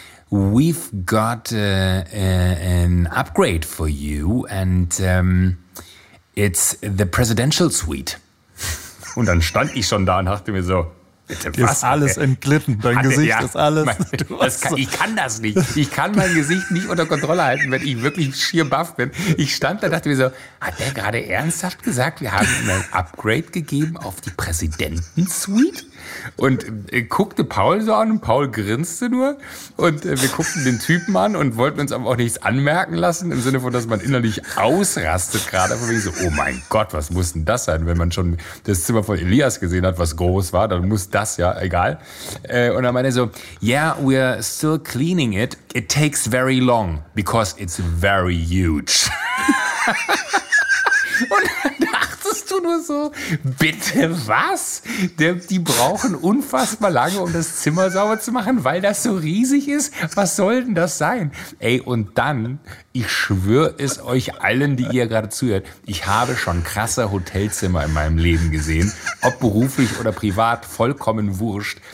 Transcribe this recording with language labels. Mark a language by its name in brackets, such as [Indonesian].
[English] We've got an upgrade for you and it's the presidential suite. [German] Und dann stand ich schon da und dachte mir so, dir ist alles entglitten, dein Gesicht ist alles. Ich kann das nicht. Ich kann mein Gesicht nicht unter Kontrolle halten, wenn ich wirklich schier baff bin. Ich stand da und dachte mir so, hat der gerade ernsthaft gesagt, wir haben ihm ein Upgrade gegeben auf die Präsidenten-Suite? Und guckte Paul so an, Paul grinste nur und wir guckten den Typen an und wollten uns aber auch nichts anmerken lassen, im Sinne von, dass man innerlich ausrastet gerade. Von wegen so, oh mein Gott, was muss denn das sein? Wenn man schon das Zimmer von Elias gesehen hat, was groß war, dann muss das ja, egal. Und dann meinte er so, [English] yeah, we're still cleaning it. It takes very long, because it's very huge. [German] Und dachtest du nur so, bitte was? Die brauchen unfassbar lange, um das Zimmer sauber zu machen, weil das so riesig ist. Was soll denn das sein? Ey, und dann, ich schwöre es euch allen, die ihr gerade zuhört, ich habe schon krasse Hotelzimmer in meinem Leben gesehen, ob beruflich oder privat, vollkommen wurscht.